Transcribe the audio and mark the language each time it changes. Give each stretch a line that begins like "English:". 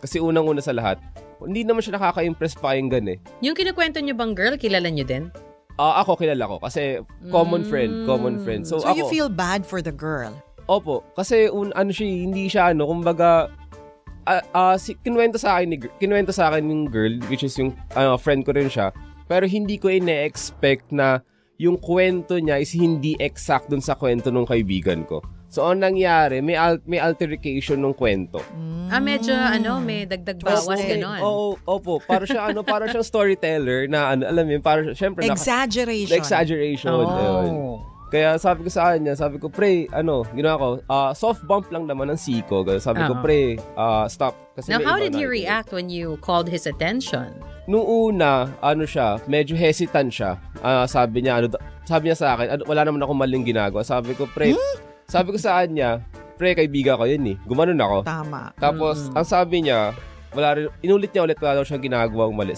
Filipino: Kasi unang-una sa lahat, hindi naman siya nakaka-impress pa yung gan eh. Yung kinukwento niyo bang girl, kilala niyo din? Ako, kilala ko. Kasi common friend, common friend. So, so ako,
English: you feel bad for the girl?
Filipino: Opo. Kasi ano siya, hindi siya ano, kumbaga, kinuwento sa akin yung girl,
English: which is
Filipino: yung friend ko rin siya. Pero hindi ko ine-expect na yung kwento niya is hindi exact dun sa kwento ng kaibigan ko. So, ang nangyari, may altercation ng kwento. Mm. Ah, medyo, may dagdag bawas, ganon. Opo, parang siya, parang siyang storyteller na, alam mo, parang, syempre,
English: exaggeration.
Filipino: Kaya sabi ko sa kanya, sabi ko, pre, ginawa ko, soft bump lang naman ang siko. Sabi ko, pre, stop.
English: Kasi now, how did he react when you called his attention?
Filipino: Noong una, siya, medyo hesitant siya. Sabi niya sa akin, wala naman akong maling ginagawa. Sabi ko, pre, sabi ko sa kanya, pre, kaibiga ko yun gumanon ako. Tama. Tapos, ang sabi niya, inulit niya ulit, wala daw siyang ginagawang mali.